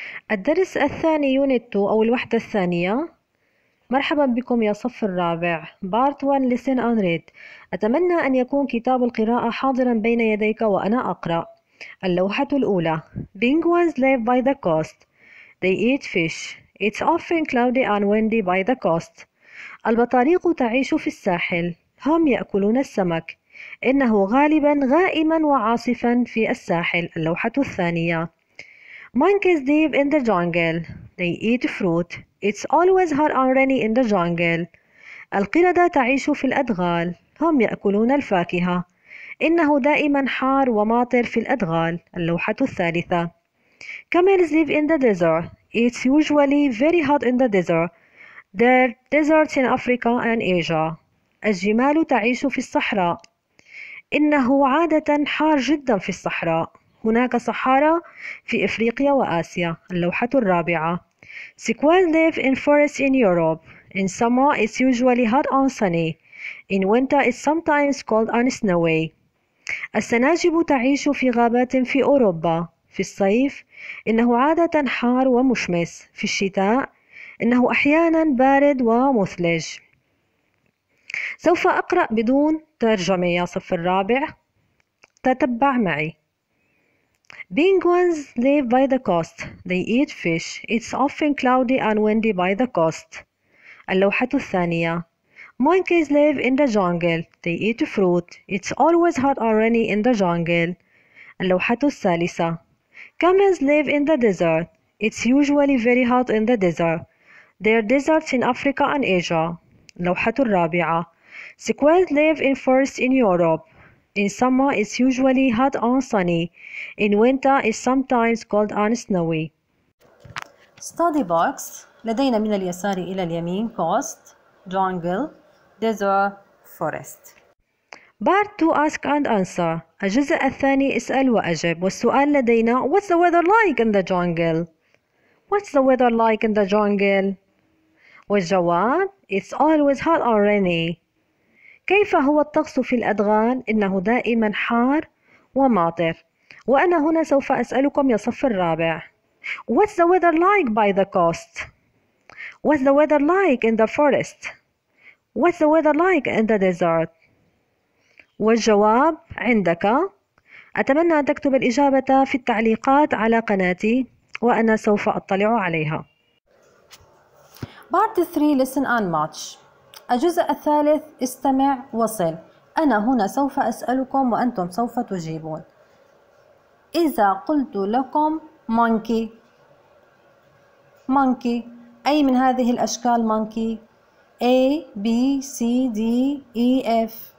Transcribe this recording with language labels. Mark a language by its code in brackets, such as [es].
[ar] الدرس الثاني يونت 2 أو الوحدة الثانية. مرحبا بكم يا صف الرابع. [en] Part 1 listen and read. [ar] أتمنى أن يكون كتاب القراءة حاضرا بين يديك وأنا أقرأ. اللوحة الأولى. [en] Penguins live by the coast. They eat fish. It's often cloudy and windy by the coast. [ar] البطاريق تعيش في الساحل. هم يأكلون السمك. إنه غالبا غائما وعاصفا في الساحل. اللوحة الثانية. [en] Monkeys live in the jungle. They eat fruit. It's always hot and rainy in the jungle. [ar] القردة تعيش في الأدغال. هم يأكلون الفاكهة. إنه دائما حار وماطر في الأدغال. اللوحة الثالثة. [en] Camels live in the desert. It's usually very hot in the desert. There are deserts in Africa and Asia. [ar] الجمال تعيش في الصحراء. إنه عادة حار جدا في الصحراء. هناك صحارى في إفريقيا وآسيا. اللوحة الرابعة. [en] Squirrels live in forests in Europe. In summer it's usually hot and sunny. In winter it's sometimes cold and snowy. [ar] السناجب تعيش في غابات في أوروبا. في الصيف إنه عادة حار ومشمس. في الشتاء إنه أحيانا بارد ومثلج. سوف أقرأ بدون ترجمة يا صف الرابع. تتبع معي. [en] Penguins live by the coast. They eat fish. It's often cloudy and windy by the coast. [ar] اللوحة الثانية. [en] Monkeys live in the jungle. They eat fruit. It's always hot and rainy in the jungle. [ar] اللوحة الثالثة. [en] Camels live in the desert. It's usually very hot in the desert. There are deserts in Africa and Asia. [ar] اللوحة الرابعة. [en] Squirrels live in forests in Europe. In summer, it's usually hot and sunny. In winter, it's sometimes cold and snowy. Study box. [ar] لدينا من اليسار إلى اليمين. [en] Coast, jungle, desert, forest. Part 2. Ask and answer. [ar] الجزء الثاني اسأل وأجب. والسؤال لدينا. [en] What's the weather like in the jungle? What's the weather like in the jungle? [ar] والجواب. [en] It's always hot and rainy. [ar] كيف هو الطقس في الأدغال؟ إنه دائما حار وماطر. وأنا هنا سوف أسألكم يا صف الرابع. [en] What's the weather like by the coast? What's the weather like in the forest? What's the weather like in the desert? [ar] والجواب عندك. أتمنى أن تكتب الإجابة في التعليقات على قناتي وأنا سوف أطلع عليها. [en] Part 3. Listen and match. [ar] الجزء الثالث استمع وصل. أنا هنا سوف أسألكم وأنتم سوف تجيبون. إذا قلت لكم monkey. [en] Monkey. [ar] أي من هذه الأشكال monkey؟ A, B, C, D, E, F.